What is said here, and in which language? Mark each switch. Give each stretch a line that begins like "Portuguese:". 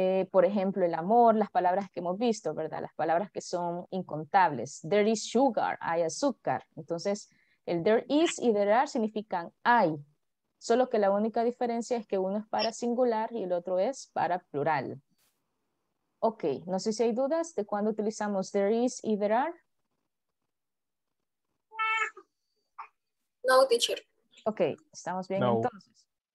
Spanish: Por ejemplo, el amor, las palabras que hemos visto, ¿verdad? Las palabras que son incontables.
English: There is sugar,
Spanish: hay azúcar. Entonces, el there is y there are significan hay. Solo que la única diferencia es que uno es para singular y el otro es para plural. Ok, no sé si hay dudas de cuándo utilizamos there is y there are.
English: No, teacher.
Spanish: Ok, estamos bien entonces.